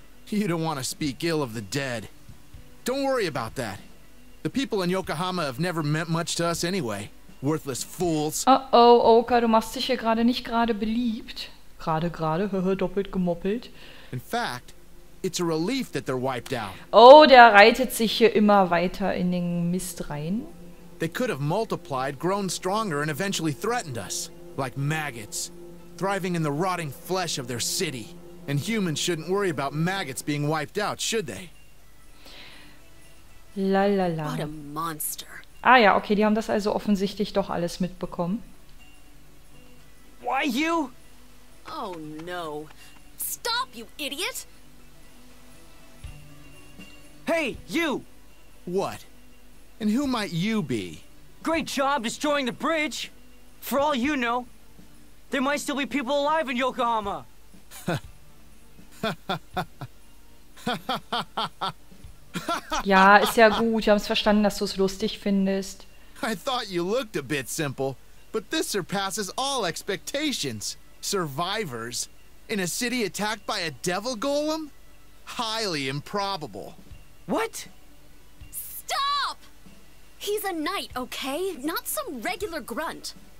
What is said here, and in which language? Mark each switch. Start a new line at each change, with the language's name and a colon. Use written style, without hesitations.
English: You don't want to speak ill of the dead. Don't worry about that. The people in Yokohama have never meant much to us anyway. Worthless fools.
German: Uh-oh, Oka, du machst dich hier gerade nicht gerade beliebt. Gerade, doppelt gemoppelt.
English: In fact, it's a relief that they're wiped out.
German: Oh, der reitet sich hier immer weiter in den Mist rein.
English: They could have multiplied, grown stronger, and eventually threatened us, like maggots, thriving in the rotting flesh of their city. And humans shouldn't worry about maggots being wiped out, should they? La la la. What a monster.
German: Ah ja, okay, die haben das also offensichtlich doch alles mitbekommen.
English: Why you? Oh no. Stop, you idiot! Hey, you! What? And who might you be? Great job destroying the bridge. For all you know, there might still be people alive in Yokohama.
German: Ja, ist ja gut. Wir haben es verstanden, dass du es lustig findest.
English: I thought you looked a bit simple, but this surpasses all expectations. Survivors in a city attacked by a devil golem? Highly improbable. What? He's a knight, okay? Not some regular grunt.